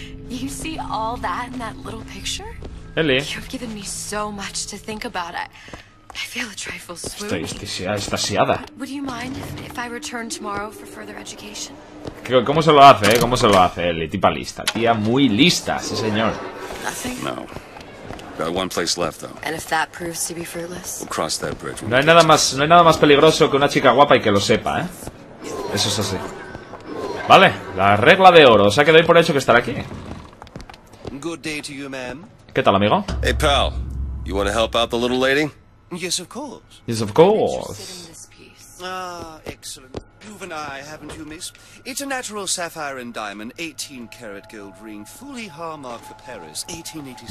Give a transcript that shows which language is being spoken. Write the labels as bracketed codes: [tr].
[en] You see all that in that little picture? Eli. You've given me so much to think about. I feel a trifle swoon. [es] Estoy extasiada. [en] Would you mind if I return tomorrow for further education? [es] ¿Cómo se lo hace, ¿Cómo se lo hace, Eli? Tipa lista, tía muy lista, sí señor. [en] No. Got one place left though. And if that proves to be fruitless? We'll cross that bridge. [es] No hay nada más peligroso que una chica guapa y que lo sepa, ¿eh? Eso es así. Vale, la regla de oro, o sea que doy por hecho que estará aquí. [en] Good day to you, ma'am. [es] ¿Qué tal, amigo? [en] Hey, pal. You want to help out the little lady? Yes, of course. Yes, of course. Ah, excellent. You've an eye, haven't you, miss? It's a natural sapphire and diamond, 18 karat gold ring, fully hallmarked for Paris, 1886.